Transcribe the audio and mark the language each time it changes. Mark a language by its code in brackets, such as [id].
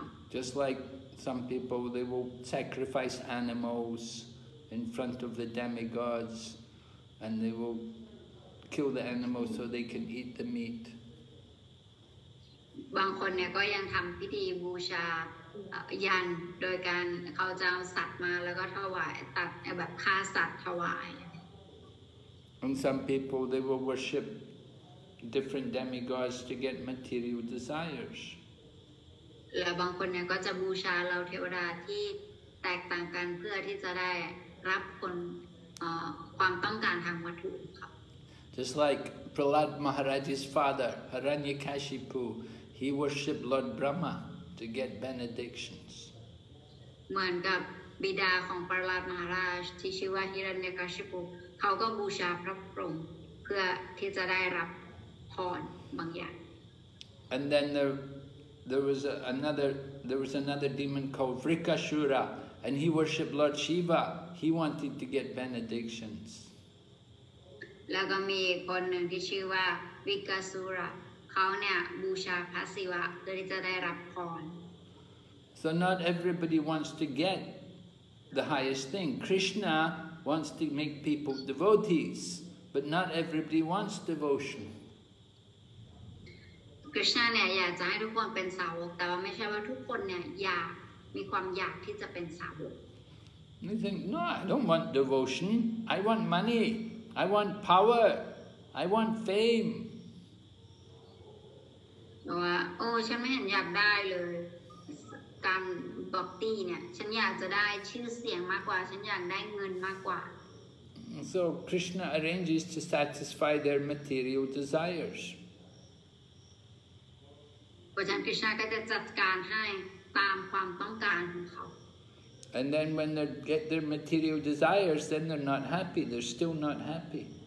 [en] Just like some people, they will sacrifice animals, in front of the demigods, and they will kill the animal so they can eat the meat. [th] บางคนเนี่ยก็ยังทำพิธีบูชายันโดยการเขาจะเอาสัตว์มาแล้วก็ถวายตัดแบบฆ่าสัตว์ถวาย [en] And some people they will worship different demigods to get material desires. [th] และบางคนเนี่ยก็จะบูชาเหล่าเทวดาที่แตกต่างกันเพื่อที่จะได้รับผลความต้องการทางวัตถุครับ [en] Just like Prahlad Maharaj's father Hiranyakashipu. He worshipped Lord Brahma to get benedictions. [th] เหมือนกับบิดาของปรหลาดมหาราชที่ชื่อว่าฮิรัญยกัสสปุเขาก็บูชาพระพรหมเพื่อที่จะได้รับพรบางอย่าง [en] And then there was another demon called Vrikashura, and he worshipped Lord Shiva. He wanted to get benedictions. [th] แล้วก็มีคนหนึ่งที่ชื่อว่าวิกาสุราเขาเนี่ยบูชาพระศิวะเพื่อจะได้รับพร [en] So not everybody wants to get the highest thing. Krishna wants to make people devotees, but not everybody wants devotion. [th] Krishna เนี่ยอยากจะให้ทุกคนเป็นสาวกแต่ว่าไม่ใช่ว่าทุกคนเนี่ยอยากมีความอยากที่จะเป็นสาวก [en] You think, no, I don't want devotion. I want money. I want power. I want fame. [th] ว่าโอ้ฉันไม่เห็นอยากได้เลยการบอกตี้เนี่ยฉันอยากจะได้ชื่อเสียงมากกว่าฉันอยากได้เงินมากกว่า [en] so Krishna arranges to satisfy their material desires [th] พระจันทร์คริชนาก็จะจัดการให้ตามความต้องการของเขา [en] and then when they get their material desires then they're not happy they're still not happy